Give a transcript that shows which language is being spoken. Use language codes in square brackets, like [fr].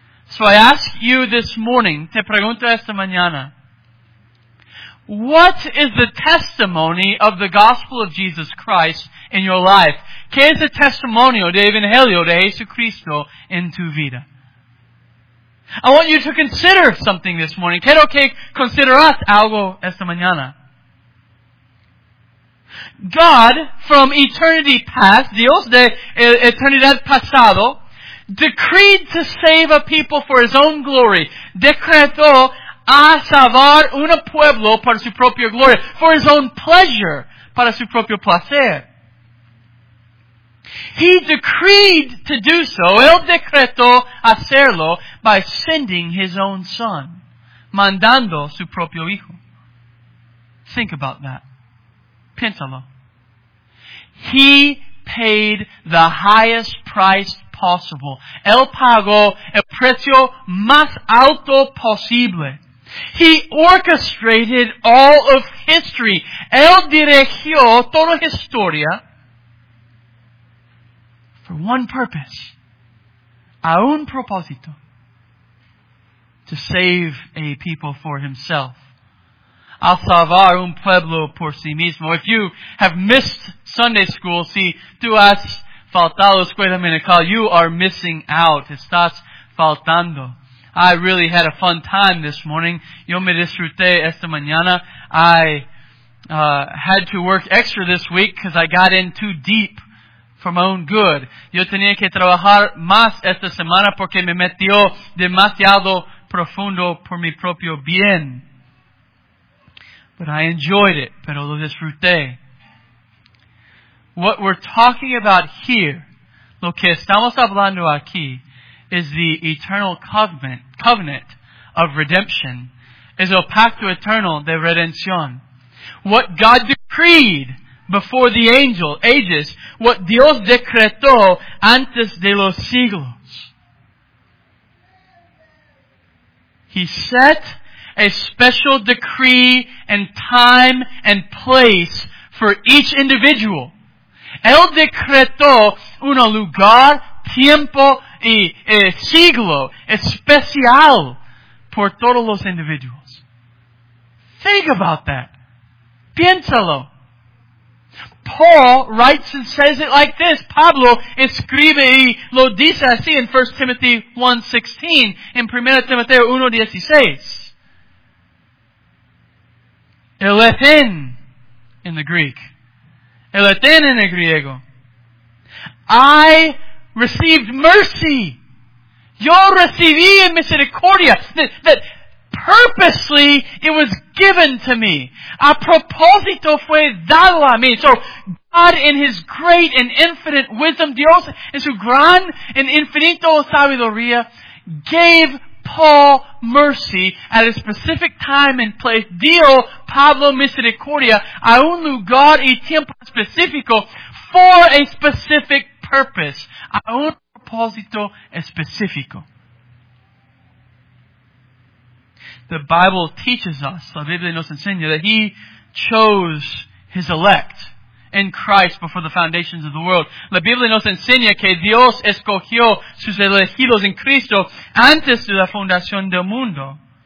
[en] So I ask you this morning, [es] te pregunto esta mañana, [en] what is the testimony of the gospel of Jesus Christ in your life? [es] ¿Qué es el testimonio del Evangelio de Jesucristo en tu vida? [en] I want you to consider something this morning. [es] Quiero que consideras algo esta mañana. [en] God, from eternity past, [es] Dios de eternidad pasado, [en] decreed to save a people for his own glory. [es] Decretó a salvar un pueblo para su propia gloria, [en] for his own pleasure, [es] para su propio placer. [en] He decreed to do so, [es] él decretó hacerlo, [en] by sending his own son, [es] mandando su propio hijo. [en] Think about that. [es] Piénsalo. [en] He paid the highest price possible. [es] Él pagó el precio más alto posible. [en] He orchestrated all of history. [es] Él dirigió toda historia [en] for one purpose, [es] a un propósito, [en] to save a people for himself, [es] a salvar un pueblo por sí mismo. [en] If you have missed Sunday school, [es] si tú has faltado escuela dominical, [en] you are missing out. [es] Estás faltando. [en] I really had a fun time this morning. [es] Yo me disfruté esta mañana. [en] I had to work extra this week because I got in too deep for my own good. [es] Yo tenía que trabajar más esta semana porque me metió demasiado profundo por mi propio bien. [en] But I enjoyed it, [es] pero lo disfruté. [en] What we're talking about here, [es] lo que estamos hablando aquí, [en] is the eternal covenant of redemption. [es] Es el pacto eterno de redención. [en] What God decreed before the angel ages. [es] What Dios decretó antes de los siglos. [en] He set a special decree and time and place for each individual. [es] Él decretó un lugar, tiempo y siglo especial por todos los individuos. [en] Think about that. [es] Piénsalo. [en] Paul writes and says it like this. [es] Pablo escribe y lo dice así [en] in 1 Timothy 1:16, [es] in 1 Timoteo 1:16. [en] Eleten in the Greek. [es] Eleten en el griego. [en] I received mercy. [es] Yo recibí misericordia. [en] That purposely it was given to me. [es] A propósito fue dado a mí. [en] So God in His great and infinite wisdom, [es] Dios en su gran and infinito sabiduría, [en] gave Paul mercy at a specific time and place. [es] Dio Pablo misericordia a un lugar y tiempo específico [en] for a specific purpose, [es] a un propósito específico. [en] The Bible teaches us, [es] la Biblia nos enseña, [en] that He chose His elect in Christ before the foundations of the world. [es] La Biblia nos enseña que Dios escogió sus elegidos en Cristo antes de la fundación del mundo.